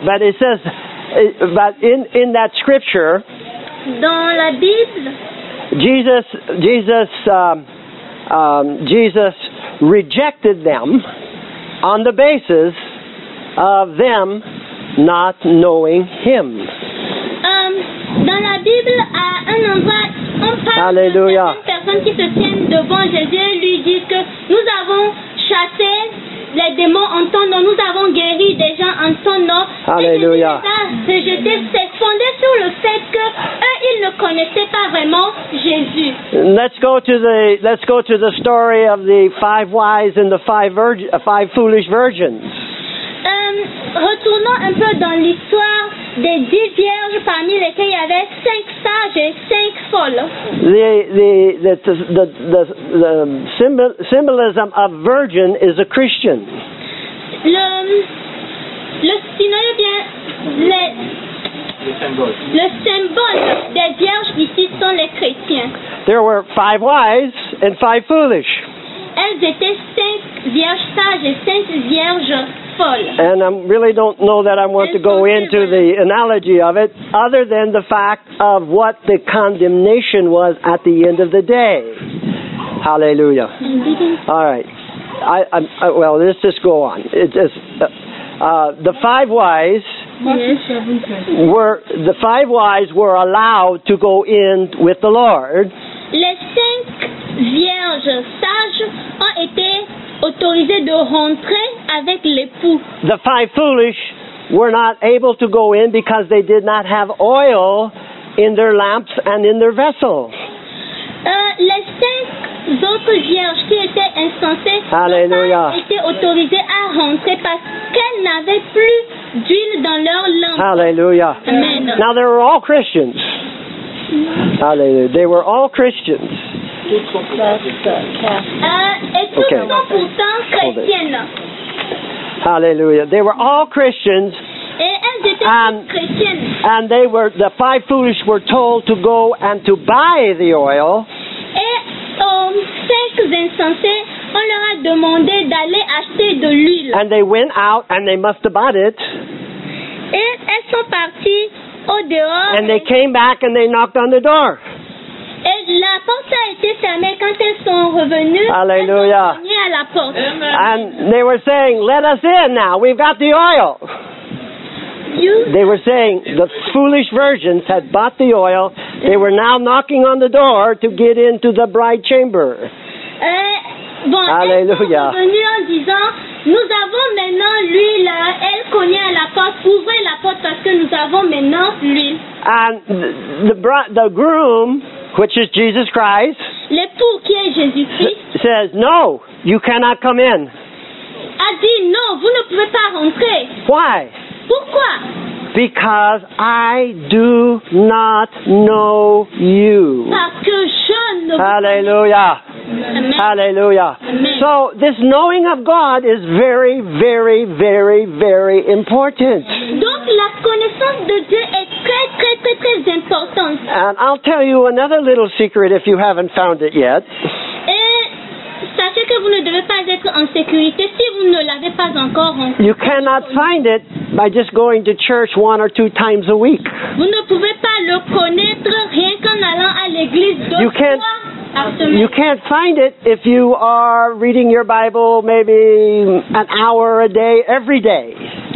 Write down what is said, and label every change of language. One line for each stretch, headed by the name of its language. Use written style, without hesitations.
English: But it says, but in that scripture,
French: dans la Bible,
English: Jesus rejected them on the basis of them not knowing him.
French: Dans la Bible, à un endroit, on parle
English: Hallelujah.
French: De personnes qui se tiennent devant Jésus et lui disent que nous avons chassé les démons en ton nom, nous avons guéri des gens en ton nom. Alléluia. Et Jésus s'est fondé sur le fait que eux, ils ne connaissaient pas vraiment Jésus.
English: Let's go to the story of the five wise and the five foolish virgins.
French: Retournons un peu dans l'histoire des 10 vierges parmi lesquelles il y avait 5 sages et 5 folles.
English: The symbolism of virgin is a Christian.
French: Le symbole des vierges ici sont les chrétiens.
English: There were 5 wise and 5 foolish.
French: Elles étaient 5 vierges sages et 5 vierges.
English: And I really don't know that I want to go into the analogy of it, other than the fact of what the condemnation was at the end of the day. Hallelujah. All right. Let's just go on. The five wise were allowed to go in with the Lord.
French: Les cinq vierges sages ont été autorisé de rentrer avec l'époux.
English: The five foolish were not able to go in because they did not have oil in their lamps and in their vessels.
French: Les cinq autres vierges qui étaient insensées Hallelujah. Ont été autorisées à rentrer parce qu'elles n'avaient plus d'huile dans leurs lampes.
English: Hallelujah. Amen. Now they were all Christians. Hallelujah. They were all Christians. Okay. Hallelujah. They were all Christians,
French: elles étaient chrétiennes.
English: And they were the five foolish were told to go and to buy the oil.
French: Et cinq insensés, on leur a demandé d'aller acheter de l'huile.
English: And they went out and they must have bought it.
French: Et elles sont parties au dehors.
English: And they came back and they knocked on the door.
French: Et la porte a été fermée quand elles sont revenues. Alléluia. À la porte. Amen.
English: And they were saying, "Let us in now. We've got the oil." You? They were saying the foolish virgins had bought the oil. They were now knocking on the door to get into the bride chamber.
French: Bon, Alléluia. Elles sont revenues en disant, "Nous avons maintenant l'huile." Elle cognait à la porte. Ouvrez la porte parce que nous avons maintenant l'huile.
English: And the groom, which is Jesus Christ,
French: l'époux qui est Jésus Christ,
English: says, "No, you cannot come in."
French: A dit, non, vous ne pouvez pas rentrer.
English: Why?
French: Pourquoi?
English: Because I do not know you.
French: Parce que je ne vous
English: Alléluia. Alléluia. So this knowing of God is very, very, very, very important.
French: Donc la connaissance de Dieu est très, très, très, très importante.
English: And I'll tell you another little secret if you haven't found it yet.
French: Et sachez que vous ne devez pas être en sécurité si vous ne l'avez pas encore.
English: You cannot find it by just going to church one or two times a week.
French: Vous ne pouvez pas le connaître rien qu'en allant à l'église deux fois.
English: You can't find it if you are reading your Bible maybe an hour a day, every day.